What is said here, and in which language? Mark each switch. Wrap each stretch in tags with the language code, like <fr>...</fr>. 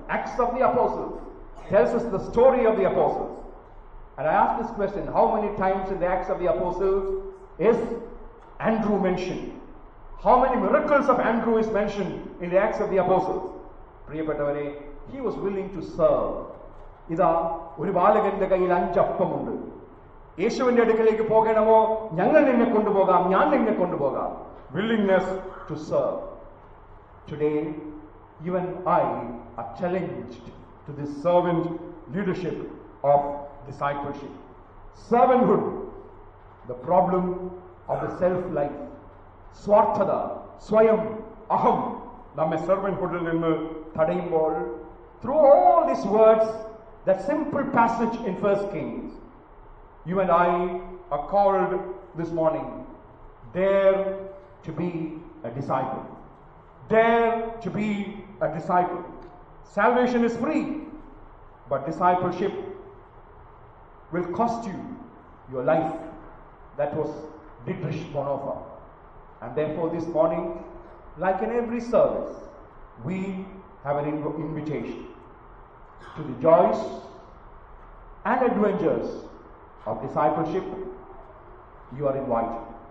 <en>Acts of the Apostles tells us the story of the apostles. And I asked this question, how many times in the Acts of the Apostles is Andrew mentioned? How many miracles of Andrew is mentioned in the Acts of the Apostles? Priyapettavare, he was willing to serve.</en> <ml>ഇതാ ഒരു ബാലകന്റെ കയ്യിൽ അഞ്ച് അപ്പമുണ്ട്. യേശുവിന്റെ അടുക്കലേക്ക് പോകണമോ? ഞങ്ങൾ നിന്നെ കൊണ്ടുപോകാം, ഞാൻ നിന്നെ കൊണ്ടുപോകാം.</ml> <en>Willingness to serve. Today even I are challenged to this servant leadership of discipleship. Servanthood, the problem of the self life,</en> <ml>സ്വാർത്ഥത, സ്വയം, അഹം നമ്മെ സെർവന്റ്ഹുഡിൽ നിന്ന് തടയുമ്പോൾ,</ml> <en>Through all these words, that simple passage in 1st Kings, you and I are called this morning, dare to be a disciple. Dare to be a disciple. Salvation is free, but discipleship will cost you your life. That was Dietrich Bonhoeffer. And therefore this morning, like in every service, we have an invitation to the joys and adventures of discipleship. You are invited.</en>